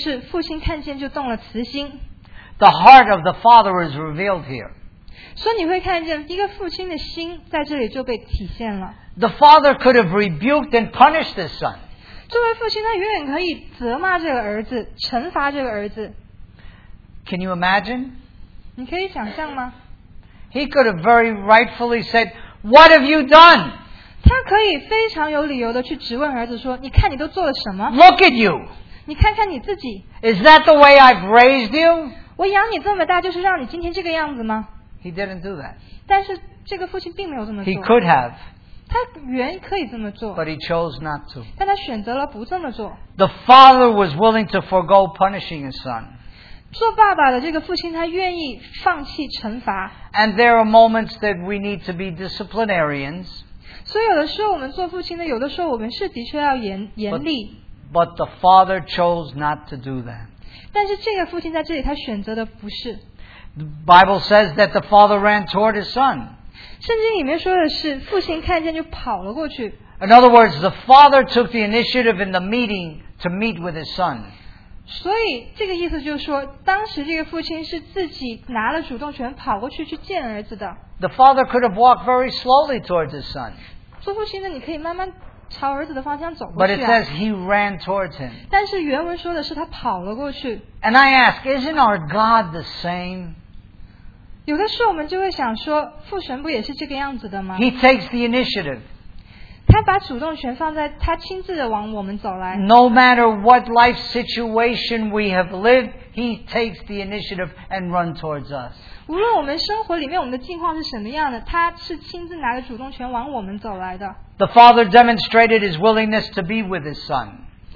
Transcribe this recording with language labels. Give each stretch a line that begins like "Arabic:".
Chinese: 原话里面故事说的是父亲看见就动了慈心。
English: The heart of the father is revealed here.
Chinese: 所以你会看见一个父亲的心在这里就被体现了。
English: The father could have rebuked and punished his son.
Chinese: 作为父亲他远远可以责骂这个儿子，惩罚这个儿子。
English: Can you imagine?
Chinese: 你可以想象吗?
English: He could have very rightfully said, what have you done?
Chinese: 他可以非常有理由地去质问儿子说, 你看你都做了什么?
English: Look at you!
Chinese: 你看看你自己!
English: Is that the way I've raised you?
Chinese: 我养你这么大就是让你今天这个样子吗?
English: He didn't do that.
Chinese: 但是这个父亲并没有这么做。
English: He could have.
Chinese: 他原可以这么做,
English: but he chose not to.
Chinese: 但他选择了不这么做。
English: The father was willing to forego punishing his son.
Chinese: 做爸爸的这个父亲他愿意放弃惩罚。
English: And there are moments that we need to be disciplinarians.
Chinese: 所以有的时候我们做父亲的有的时候我们是的确要严厉。
English: But the father chose not to do that.
Chinese: 但是这个父亲在这里他选择的不是。
English: The Bible says that the father ran toward his son.
Chinese: 圣经里面说的是父亲看见就跑了过去。
English: In other words, the father took the initiative in the meeting to meet with his son.
Chinese: 所以这个意思就是说当时这个父亲是自己拿了主动权跑过去去见儿子的。
English: The father could have walked very slowly towards his son.
Chinese: 做父亲的你可以慢慢朝儿子的方向走过去啊。
English: But it says he ran towards him.
Chinese: 但是原文说的是他跑了过去。
English: And I ask, isn't our God the same?
Chinese: 有的时候我们就会想说, 父神不也是这个样子的吗?
English: He takes the initiative.
Chinese: 他把主动权放在他亲自的往我们走来。
English: No matter what life situation we have lived, he takes the initiative and runs towards us.
Chinese: 无论我们生活里面我们的境况是什么样的, 他是亲自拿着主动权往我们走来的。
English: The father demonstrated his willingness to be with his son.